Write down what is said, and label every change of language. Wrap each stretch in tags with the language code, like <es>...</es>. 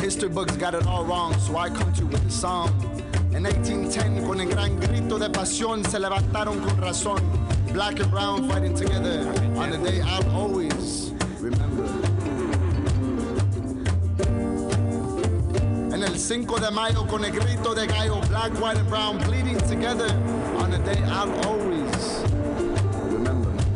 <en>Books got it all wrong, so I come to you with a song.</en> <es>In 1810, con el gran grito de pasión, se levantaron con razón.</es> <en>Black and brown fighting together on the day I'll always remember.</en> <es>En el 5 de mayo, con el grito de gallo,</es> <en>black, white, and brown bleeding together on the day I'll always remember.</en>